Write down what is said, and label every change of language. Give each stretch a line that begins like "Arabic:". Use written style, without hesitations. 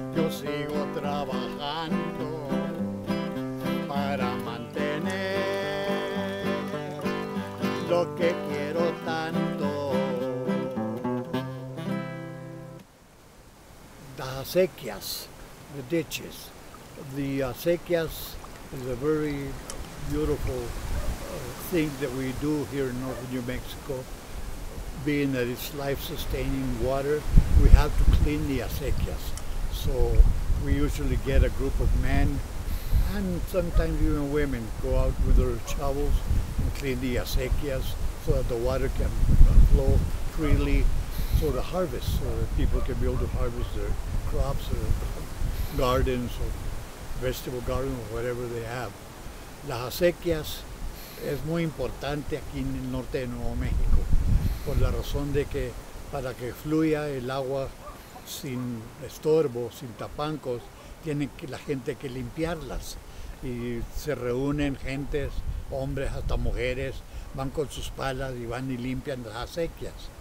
Spanish: sigo trabajando para mantener lo que quiero tanto.
English: Las acequias, the ditches, the acequias is a very beautiful thing that we do here in northern New Mexico. Being that it's life-sustaining water, we have to clean the acequias. So we usually get a group of men, and sometimes even women, go out with their shovels and clean the acequias so that the water can flow freely for the harvest, so that people can be able to harvest their crops or gardens or vegetable garden or whatever they have.
Spanish: Las acequias es muy importante aquí en el norte de Nuevo México, por la razón de que para que fluya el agua sin estorbo, sin tapancos, tiene que la gente que limpiarlas. Y se reúnen gentes, hombres hasta mujeres, van con sus palas y van y limpian las acequias.